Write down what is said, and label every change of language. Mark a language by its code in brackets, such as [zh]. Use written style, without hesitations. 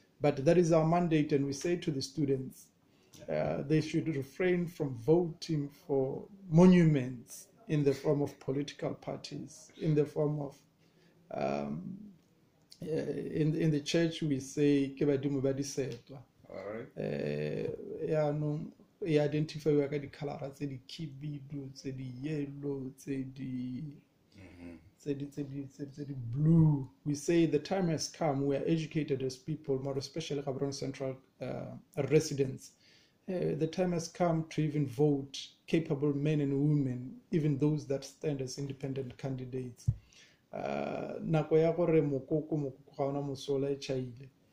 [en] But that is our mandate, and we say to the students, they should refrain from voting for monuments in the form of political parties, in the form of in the church we say [tn] kebadimo ba disetwa. [en] All right. [tn] Ya identify we ka di color tse di khibidu tse di yellow tse di tse di blue. [en] We say the time has come, we are educated as people, more especially Gaborone Central residents. The time has come to even vote capable men and women, even those that stand as independent candidates. [tn] Nako ya gore mokoko mokoko ga ona mosola e chaile.